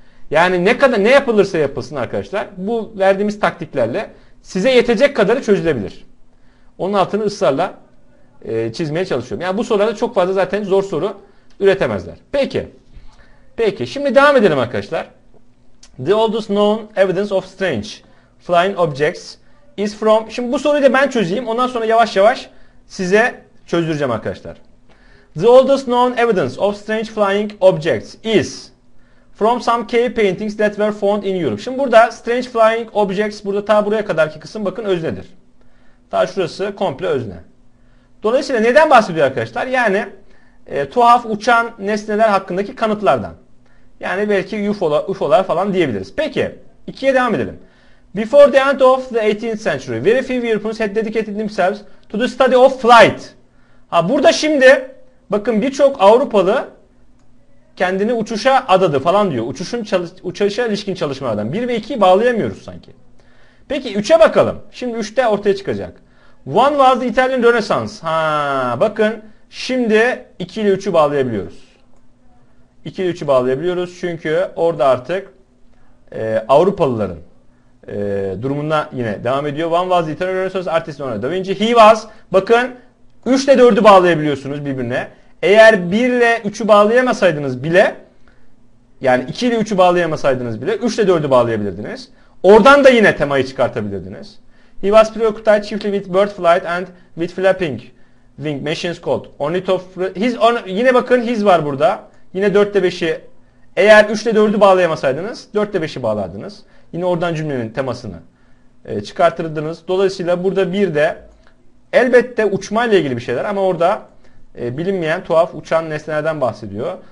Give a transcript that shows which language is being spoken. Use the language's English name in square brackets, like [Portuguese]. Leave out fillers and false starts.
[Turkish] Yani ne kadar ne yapılırsa yapılsın arkadaşlar, bu verdiğimiz taktiklerle size yetecek kadarı çözülebilir. Onun altını ısrarla çizmeye çalışıyorum. Yani bu sorularda çok fazla zaten zor soru üretemezler. Peki. Peki. Şimdi devam edelim arkadaşlar. [English] The oldest known evidence of strange flying objects is from... [Turkish] Şimdi bu soruyu da ben çözeyim. Ondan sonra yavaş yavaş size çözdüreceğim arkadaşlar. [English] The oldest known evidence of strange flying objects is from some cave paintings that were found in Europe. [Turkish] Şimdi burada [English] strange flying objects, [Turkish] burada ta buraya kadarki kısım bakın öznedir. Ta şurası komple özne. Dolayısıyla neden bahsediyor arkadaşlar? Yani tuhaf uçan nesneler hakkındaki kanıtlardan. Yani belki UFO'lar falan diyebiliriz. Peki, ikiye devam edelim. [English] Before the end of the 18th century, very few Europeans had dedicated themselves to the study of flight. [Turkish] Ha, burada şimdi bakın birçok Avrupalı kendini uçuşa adadı falan diyor. Uçuşa ilişkin çalışmalardan. 1 ve 2'yi bağlayamıyoruz sanki. Peki 3'e bakalım. Şimdi 3'te ortaya çıkacak. [English] One was the Italian Renaissance. [Turkish] Ha, bakın şimdi 2 ile 3'ü bağlayabiliyoruz. 2 ile 3'ü bağlayabiliyoruz. Çünkü orada artık Avrupalıların durumuna yine devam ediyor. [English] One was the Italian Renaissance artist Leonardo da Vinci. He was. [Turkish] Bakın 3 ile 4'ü bağlayabiliyorsunuz birbirine. Eğer 1 ile 3'ü bağlayamasaydınız bile, yani 2 ile 3'ü bağlayamasaydınız bile 3 ile 4'ü bağlayabilirdiniz. Oradan da yine temayı çıkartabilirdiniz. [English] He was preoccupied chiefly with bird flight and with flapping wing machines called ornithopter. [Turkish] Yine bakın his var burada. Yine 4'te 5'i, eğer 3 ile 4'ü bağlayamasaydınız 4'te 5'i bağlardınız. Yine oradan cümlenin temasını çıkartırdınız. Dolayısıyla burada bir de elbette uçmayla ilgili bir şeyler ama orada bilinmeyen tuhaf uçan nesnelerden bahsediyor.